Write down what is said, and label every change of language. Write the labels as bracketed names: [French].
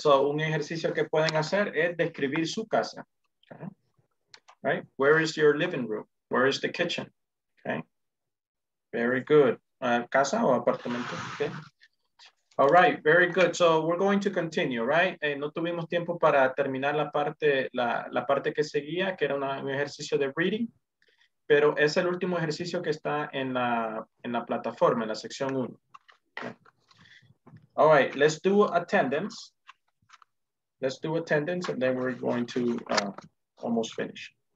[Spanish] So, un ejercicio que pueden hacer es describir su casa. [English] Okay. Right? Where is your living room? Where is the kitchen? Okay. Very good. [Spanish] casa o apartamento. [English] Okay. All right, very good. So we're going to continue, right? [Spanish] No tuvimos tiempo para terminar la parte que seguía, que era un ejercicio de reading, pero es el último ejercicio que está en la plataforma, en la sección 1. [English] Okay. All right, let's do attendance. Let's do attendance and then we're going to almost finish.